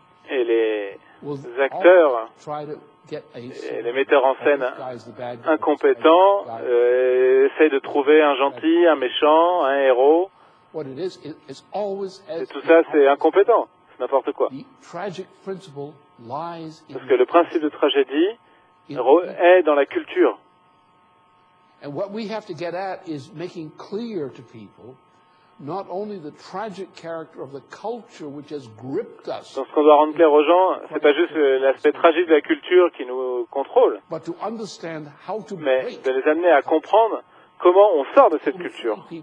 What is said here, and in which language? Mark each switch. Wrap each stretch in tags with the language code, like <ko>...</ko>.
<fr>et les acteurs et les metteurs en scène incompétents essayent de trouver un gentil, un méchant, un héros</fr> <en>What it is, it's always as</en> <fr>et tout ça, c'est incompétent. C'est n'importe quoi.</fr> <en>The tragic principle lies in</en> <fr>parce que le principe de tragédie est dans la culture.</fr> <en>And what we have to get at is making clear to people not only the tragic character of the culture which has gripped us.</en> <fr>Donc ce qu'on doit rendre clair aux gens, c'est pas juste l'aspect tragique de la culture qui nous contrôle,</fr> <en>but to understand how to</en> <fr>mais de les amener à comprendre comment on sort de cette culture.</fr>